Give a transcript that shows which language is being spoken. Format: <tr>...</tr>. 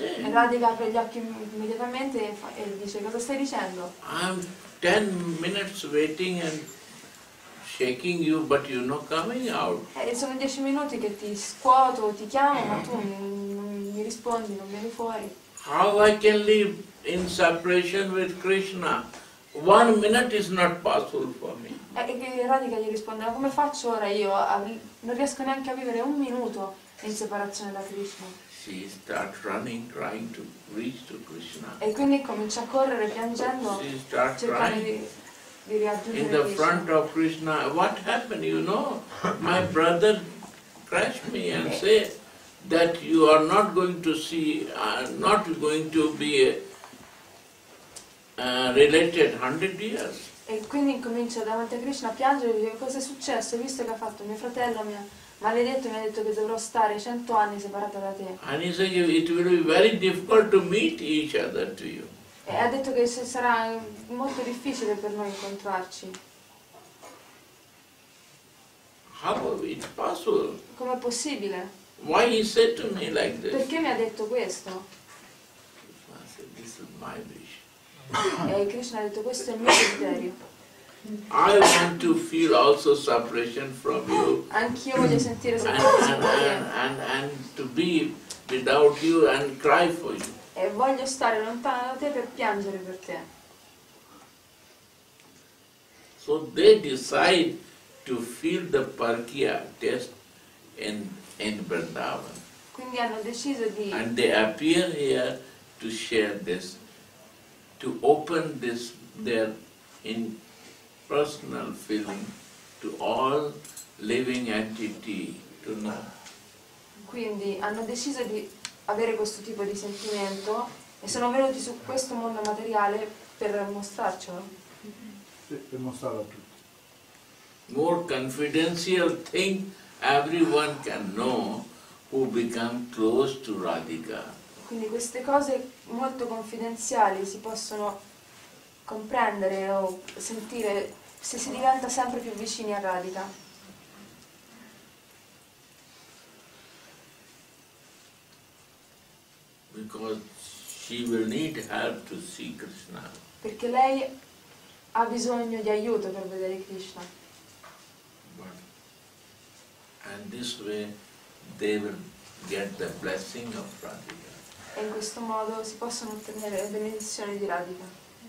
<it>Radhika apre gli occhi immediatamente e dice cosa stai dicendo?</it> <en>I'm 10 minutes waiting and shaking you, but you're not coming out.</en> <it>Sono 10 minuti che ti scuoto, ti chiamo, ma tu non mi rispondi, non vieni fuori.</it> <en>How I can live in separation with Krishna? One minute is not possible for me.</en> <it>E Radhika gli risponde, ma come faccio ora io? Non riesco neanche a vivere un minuto in separazione da Krishna.</it> <en>She start running, trying to reach to Krishna.</en> <it>E quindi comincia a correre piangendo, cercando di raggiungere</it> <en>in the front of Krishna. What happened, you know? My brother crushed me and said that you are not going to see, not going to be a, related 100 years.</en> <it>E quindi incomincia davanti a Krishna a piangere e dice cosa è successo, visto che ha fatto mio fratello, mio maledetto, mi ha detto che dovrò stare 100 anni separata da te.</it> <en>And he said it will be very difficult to meet each other to you.</en> <it>E ha detto che sarà molto difficile per noi incontrarci.</it> <en>How is it possible?</en> <it>Come è possibile?</it> <en>Why he said to me like this?</en> <it>Perché mi ha detto questo?</it> <en>I said, this is my wish.</en> <it>E Krishna ha detto questo è il mio desiderio.</it> <en>I want to feel also separation from you.</en> <it>Anch'io voglio sentire separazione da te.</it> <en>And to be without you and cry for you.</en> <it>E voglio stare lontano da te per piangere per te.</it> <en>So they decide to feel the parkia test in Vrindavan.</en> <it>Quindi hanno deciso di.</it> <en>And they appear here to share this, to open this their in personal feeling to all living entity to know.</en> <it>Quindi hanno deciso di avere questo tipo di sentimento e sono venuti su questo mondo materiale per mostrarcelo. Per mostrarlo a tutti.</it> <en>More confidential thing everyone can know who become close to Radhika.</en> <it>Quindi queste cose molto confidenziali si possono comprendere o sentire se si diventa sempre più vicini a Radhika.</it> <en>Because she will need help to see Krishna.</en> <it>Perché lei ha bisogno di aiuto per vedere Krishna.</it> <en>But, and this way they will get the blessing of Radhika.</en> <it>E in questo modo si possono ottenere le benedizioni di Radhika.</it>